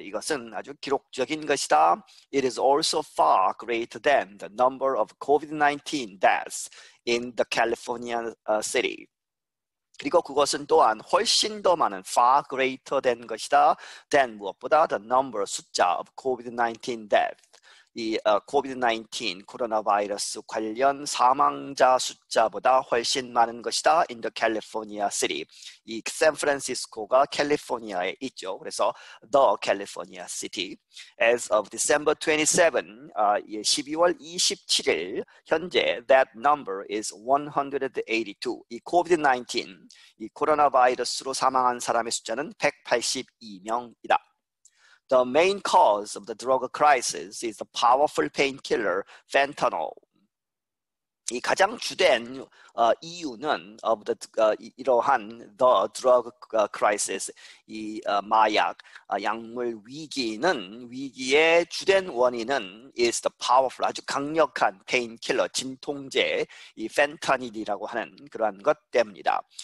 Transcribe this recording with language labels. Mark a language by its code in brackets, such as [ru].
[ko] 이것은 아주 기록적인 것이다. [en] It is also far greater than the number of COVID-19 deaths in the California city. [ko] 그리고 그것은 또한 훨씬 더 많은 [en] far greater than [ko] 것이다. [en] than [ko] 무엇보다 [en] the number [ko] 숫자 [en] of COVID-19 death. [ko] 이 COVID-19 코로나 바이러스 관련 사망자 숫자보다 훨씬 많은 것이다. [en] In the California City. [ko] 이 샌프란시스코가 캘리포니아에 있죠. 그래서 [en] The California City. As of December 27, [ko] 12월 27일 현재 [en] that number is 182. [ko] 이 COVID-19, 이 코로나 바이러스로 사망한 사람의 숫자는 182명이다. [en] The main cause of the drug crisis is the powerful painkiller fentanyl. [ko] 이 가장 주된 이유는 [en] of the [ko] 이러한 [en] the drug crisis [ko] 이 마약 약물 위기의 주된 원인은 [en] is the powerful [ko] 아주 강력한 painkiller 진통제 이 fentanyl이라고 하는 그러한 것 때문이다.